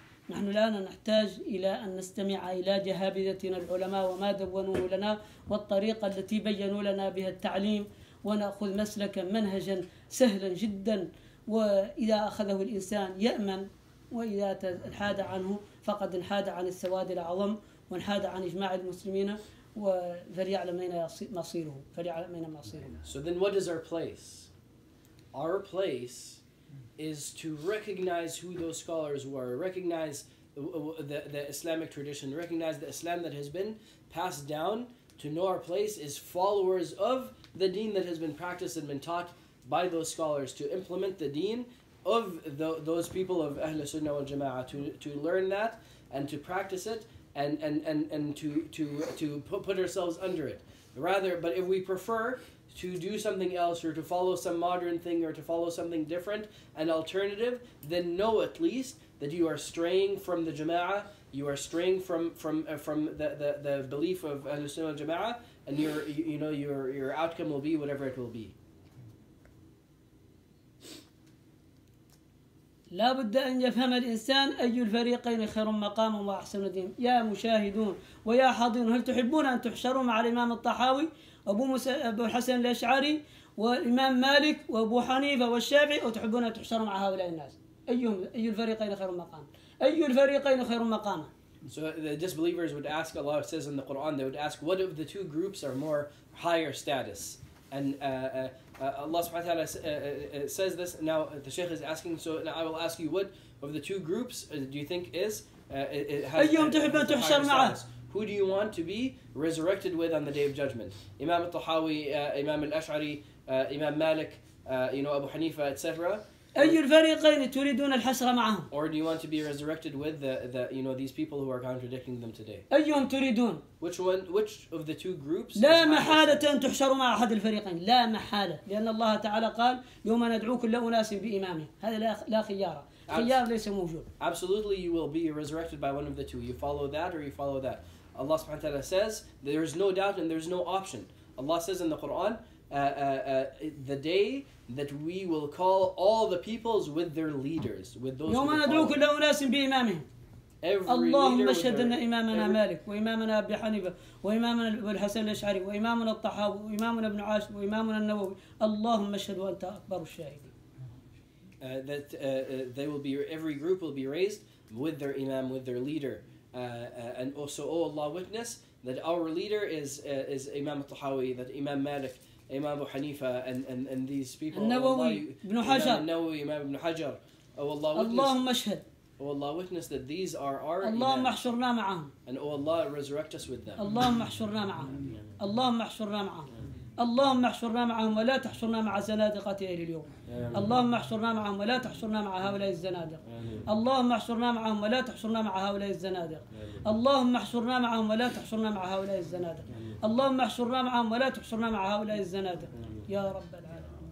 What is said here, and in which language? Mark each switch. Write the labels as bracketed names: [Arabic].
[Arabic] نحن الآن نحتاج إلى أن نستمع إلى جهابذتنا العلماء وما دونوه لنا والطريقة التي بينوا لنا بها التعليم ونأخذ مسلكا منهجا سهلا جدا وإذا أخذه الإنسان يأمن وإذا انحاد عنه فقد انحاد عن السواد العظم وانحاد عن إجماع المسلمين وفليعلم أين مصيره فليعلم أين مصيره. [English] So then what is our place? Our place is to recognize who those scholars were, recognize the Islamic tradition, recognize the Islam that has been passed down, to know our place as followers of the deen that has been practiced and been taught by those scholars, to implement the deen of those people of Ahl Sunnah wal Jama'ah, to learn that and to practice it and to put ourselves under it. Rather, but if we prefer to do something else or to follow some modern thing or to follow something different, an alternative, then know at least that you are straying from the Jama'ah, you are straying from the belief of Ahlus Sunnah wal Jama'ah, and your outcome will be whatever it will be. [Arabic] لا بد أن يفهم الإنسان أي الفريقين خير مقام وأحسن دين. يا مشاهدون ويا حاضرون، هل تحبون أن تحشروا مع الإمام الطحاوي أبو موسى أبو حسن الأشعري والإمام مالك وأبو حنيفة والشافعي، أو تحبون أن تحشروا مع هؤلاء الناس؟ أيهم أي الفريقين خير مقام؟ أي الفريقين خير مقام؟ [English] So the disbelievers would ask, Allah says in the Quran, they would ask, what of the two groups are more higher status? And Allah subhanahu wa ta'ala says this. Now the Shaykh is asking, so now I will ask you, what of the two groups do you think is has higher status? Who do you want to be resurrected with on the Day of Judgment? Imam al-Tahawi, Imam al-Ash'ari, Imam Malik, you know, Abu Hanifa, etc. [Arabic] أي الفريقين تريدون الحشر معهم؟ [English] Or do you want to be resurrected with the you know these people who are contradicting them today? [Arabic] أيهم تريدون؟ [English] Which of the two groups? [Arabic] لا محالة أن تحشروا مع أحد الفريقين، لا محالة، لأن الله تعالى قال يوم ندعو كل أناس بإمامهم، هذا لا خيار، خيار ليس موجود. [English] Absolutely you will be resurrected by one of the two. You follow that or you follow that. Allah [Arabic] سبحانه وتعالى [English] says there is no doubt and there is no option. Allah says in the Quran the day that we will call all the peoples with their leaders, with those. [Arabic] يوم ندعو كل أناس بإمامهم. اللهم اشهد أن إمامنا مالك وإمامنا أبي حنيفة وإمامنا أبو الحسن الأشعري وإمامنا الطحاوي وإمامنا ابن عاشر وإمامنا النووي. اللهم اشهد وأنت أكبر الشاهدين. [English] That they will be, every group will be raised with their imam, with their leader, and also, oh Allah, witness that our leader is Imam al-Tahawi, that Imam Malik, Imam Abu Hanifa, and these people. Al-Nawawi, Ibn Hajar. Al-Nawawi, Imam Ibn Hajar. Oh Allah, witness. [Arabic] Allahumma ashhad. [English] Oh Allah, witness that these are our imam. [Arabic] Allahumma ahshurna ma'am. [English] And oh Allah, resurrect us with them. [Arabic] Allahumma ahshurna ma'am. Allahumma ahshurna ma'am. اللهم احشرنا معهم ولا تحشرنا مع زنادقة أهل اليوم. اللهم احشرنا معهم ولا تحشرنا مع هؤلاء الزنادق. اللهم احشرنا معهم ولا تحشرنا مع هؤلاء الزنادق. اللهم احشرنا معهم ولا تحشرنا مع هؤلاء الزنادق. اللهم احشرنا معهم ولا تحشرنا مع هؤلاء الزنادق يا رب العالمين.